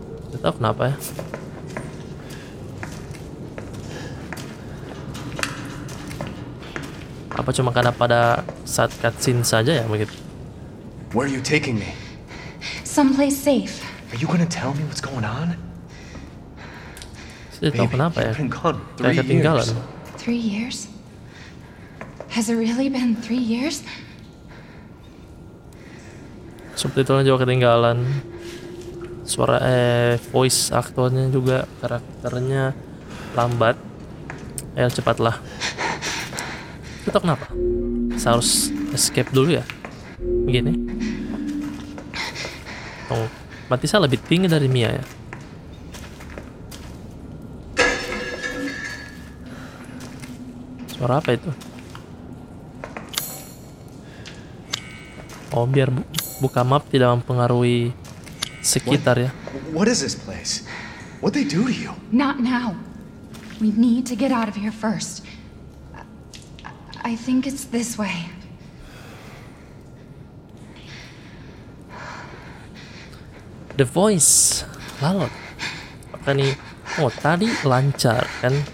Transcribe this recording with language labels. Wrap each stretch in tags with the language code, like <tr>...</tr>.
<id>Tidak tahu kenapa ya. Apa cuma karena pada saat cutscene saja ya begitu?</id> <en>Where are you taking me? Someplace safe. Are you gonna tell me what's going on?</en> <id>Saya tahu kenapa ya? Kayak ketinggalan.</id> <en>3 years? Has it really been 3 years?</en> <id>Subtitlenya juga ketinggalan. Suara voice aktornya juga karakternya lambat. Ayo cepatlah. Tetap kenapa? Saya harus escape dulu ya. Begini. Oh, mati saya lebih tinggi dari Mia ya. Suara apa itu? Oh, biar buka map tidak mempengaruhi sekitar ya.</id> <en>What is this place? What they do to you? Not now. We need to get out of here first. I think it's this way. The voice.</en> <id>Lalot. Apakah ini... Oh, tadi lancar, kan?</id>